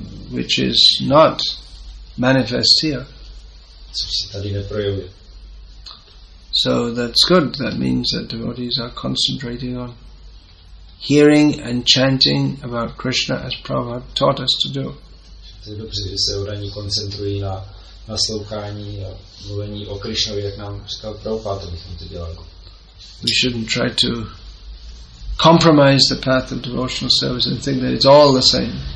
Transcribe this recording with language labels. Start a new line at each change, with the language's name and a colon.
English: Which is not manifest here.
Czech: Což se tady neprojevuje.
English: So that's good. That means that devotees are concentrating on hearing and chanting about Krishna as Prabhupada taught us to do.
Czech: To je dobře, že se oddaní koncentrují na naslouchání a mluvení o Krishnovi, jak nám říkal Prabhupada, abychom to dělali.
English: We shouldn't try to compromise the path of devotional service and think that it's all the same.